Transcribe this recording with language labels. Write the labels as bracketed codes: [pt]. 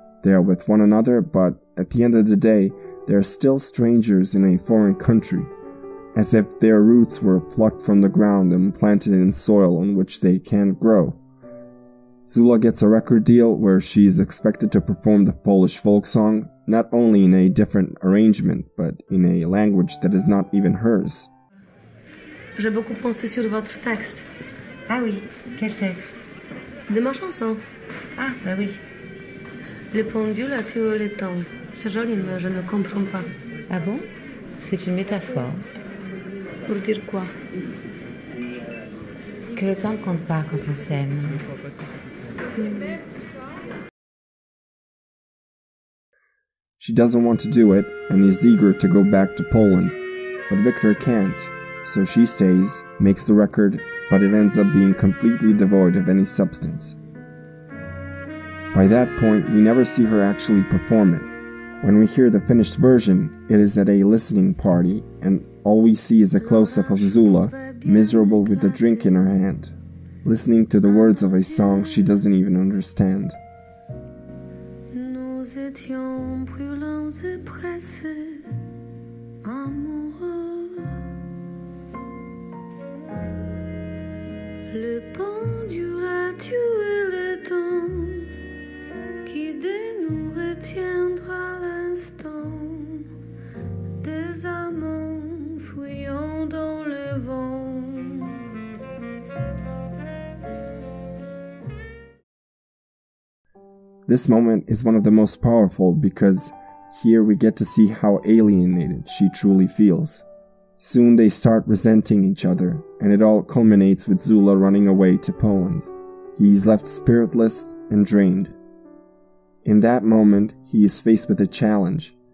[en] They are with one another, but at the end of the day, they are still strangers in a foreign country, as if their roots were plucked from the ground and planted in soil on which they can't grow. Zula gets a record deal where she is expected to perform the Polish folk song, not only in a different arrangement, but in a language that is not even hers. [fr] J'ai beaucoup pensé sur votre texte. Ah oui, quel texte? De ma chanson. Ah, bah oui. Le pendule a tué le temps. C'est joli, mais je ne comprends pas. Ah bon? C'est une métaphore. Pour dire quoi? Que le temps ne compte pas quand on s'aime. [en] She doesn't want to do it and is eager to go back to Poland. But Viktor can't. So she stays, makes the record, but it ends up being completely devoid of any substance. By that point, we never see her actually perform it. When we hear the finished version, it is at a listening party, and all we see is a close-up of Zula, miserable with a drink in her hand, listening to the words of a song she doesn't even understand. [fr] Nous étions brûlants et pressés, amoureux. Le pendule a tué le temps qui dès nous retiendra l'instant des amants fuyant dans le vent. [en] This moment is one of the most powerful because here we get to see how alienated she truly feels. Soon they start resenting each other, and it all culminates with Zula running away to Poland. He is left spiritless and drained. In that moment, he is faced with a challenge.